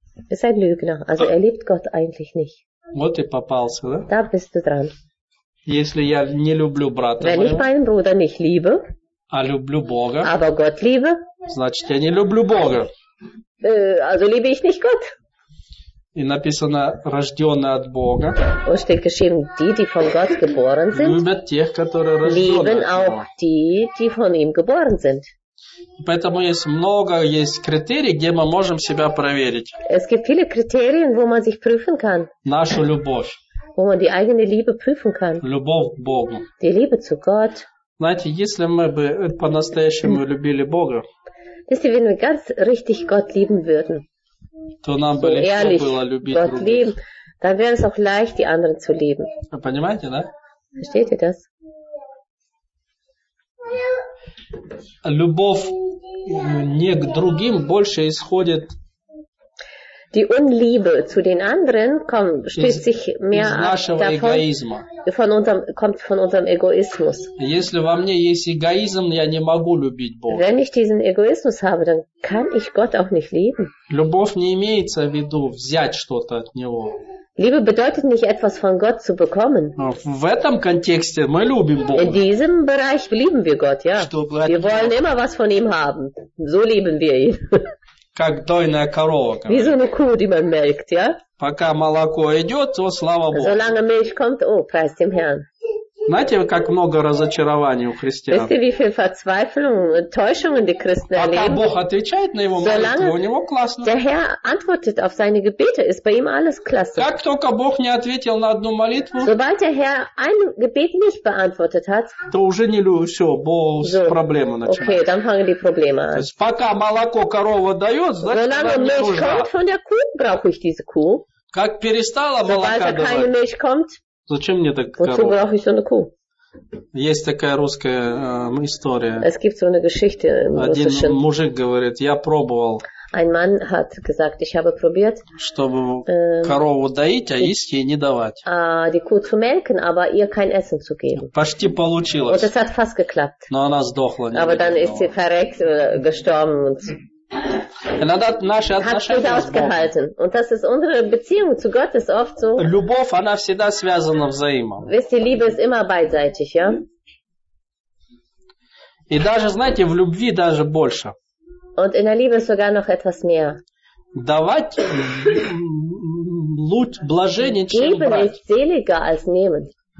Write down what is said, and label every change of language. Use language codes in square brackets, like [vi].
[de] Ist ein Lügner. Also er liebt Gott eigentlich nicht. [ru] Вот и попался, да? [de] Da bist du dran. [ru] Если я не люблю брата [de] Wenn [ru] моего, [de] ich meinen Bruder nicht liebe, [ru] а люблю Бога, [de] aber Gott liebe, [ru] значит, я не люблю Бога. [de] Also liebe ich nicht Gott. [ru] И написано, рожденные от Бога. [de] Und steht geschrieben, die von Gott geboren sind, [ru] любят тех, которые рождены от Него. [de] Lieben auch die von ihm geboren sind. [ru] Поэтому есть много есть критерий, где мы можем себя проверить. [de] Es gibt viele Kriterien, wo man sich prüfen kann. [ru] Нашу любовь. [de] Wo man die eigene Liebe prüfen kann. [ru] Любовь к Богу. [de] Die Liebe zu Gott. [ru] Знаете, если мы бы по-настоящему любили Бога, если бы мы [de] ganz richtig Gott lieben würden, [ru] то нам бы легко [de] ehrlich, [ru] было любить [de] Gott [ru] других. [de] Lieben, dann wäre es auch leicht, die anderen zu lieben. [ru] Вы понимаете, да? [de] Versteht ihr das? [ru] Любовь не к другим больше исходит. [de] Die Unliebe zu den anderen stößt sich mehr [ru] из нашего [de] davon, [ru] эгоизма. [de] Von unserem, kommt von unserem Egoismus. [ru] Если во мне есть эгоизм, я не могу любить Бога. [de] Wenn ich diesen Egoismus habe, dann kann ich Gott auch nicht lieben. [ru] Любовь не имеется в виду взять что-то от Него. [de] Liebe bedeutet nicht, etwas von Gott zu bekommen. [ru] В этом контексте мы любим Бога. [de] In diesem Bereich lieben wir Gott, ja. Wir wollen immer was von ihm haben. So lieben wir ihn. [ru] Как дойная корова. [de] Wie so eine Kuh, die man melkt, ja? [ru] Пока молоко идет, то слава Богу. [de] Solange Milch kommt, oh, preis dem Herrn. [ru] Знаете, как много разочарований у христиан. [de] Wisst ihr, wie viel Verzweiflung und Täuschungen die Christen [ru] Пока [de] erleben? [ru] Пока Бог отвечает на его молитву, [de] Solange [ru] у него классно. [de] Der Herr antwortet auf seine Gebete, ist bei ihm alles klasse. [ru] Как только Бог не ответил на одну молитву, [de] Sobald der Herr ein Gebet nicht beantwortet hat, [ru] то уже не все, Бог so. Проблемы начинает. [de] Okay, dann fangen die Probleme an. [ru] То есть, пока молоко корова дает, значит, она не нужна. [de] Solange Milch kommt von der Kuh, brauche ich diese Kuh. [ru] Как перестала молока давать, зачем мне так корова? Есть такая русская история. [de] Es gibt so eine Geschichte im [ru] Один [de] russischen. [ru] Мужик говорит, я пробовал, [de] Ein Mann hat gesagt, ich habe probiert, [ru] чтобы корову доить, а есть ей не давать. [de] Die Kuh zu melken, aber ihr kein Essen zu geben. [ru] Почти получилось. [de] Und es hat fast geklappt. [ru] Но она сдохла. [de] Aber dann ist sie verreckt, gestorben und [ru] Иногда наши отношения с Богом. [de] Und das ist unsere Beziehung zu Gott ist oft so. [ru] Любовь, она всегда связана взаимно. [de] Wisst ihr, Liebe ist immer beidseitig, ja? [ru] И даже, знаете, в любви даже больше. [de] Und in der Liebe sogar noch etwas mehr. [ru] Давать блажение, чем [de] geben [ru] брать. [de] Geben ist seliger als nehmen.